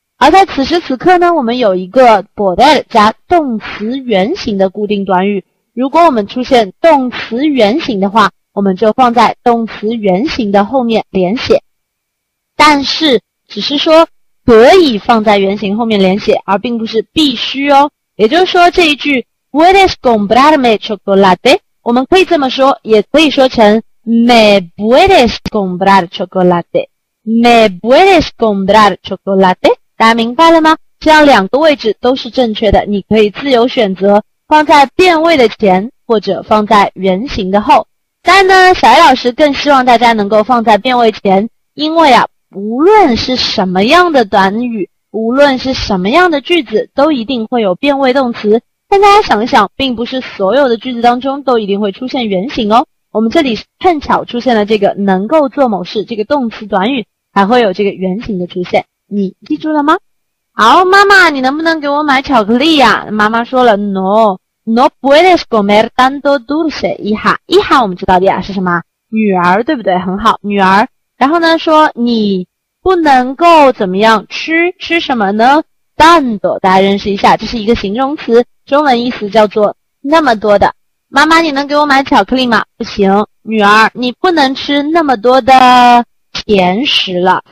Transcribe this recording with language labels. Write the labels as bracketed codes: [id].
[zh] 而在此时此刻呢，我们有一个 poder 加动词原形的固定短语，如果我们出现动词原形的话，我们就放在动词原形的后面连写，但是只是说可以放在原形后面连写，而并不是必须哦。也就是说这一句 [es] ¿Puedes comprarme chocolate? [zh] 我们可以这么说，也可以说成 [es] ¿Me puedes comprar chocolate? ¿Me puedes comprar chocolate? [zh] 大家明白了吗？这样两个位置都是正确的，你可以自由选择放在变位的前或者放在原形的后。但呢，小 A 老师更希望大家能够放在变位前，因为啊，无论是什么样的短语，无论是什么样的句子，都一定会有变位动词。但大家想一想，并不是所有的句子当中都一定会出现原形哦。我们这里碰巧出现了这个能够做某事这个动词短语，还会有这个原形的出现。你记住了吗？好，妈妈，你能不能给我买巧克力呀？妈妈说了 ，no。 [es] No puedes comer tanto dulce, hija. [zh] Hija 我们知道的呀是什么？女儿，对不对？很好，女儿。然后呢说你不能够怎么样吃什么呢？ tanto 大家认识一下，这是一个形容词，中文意思叫做那么多的。妈妈你能给我买巧克力吗？不行。女儿你不能吃那么多的甜食了。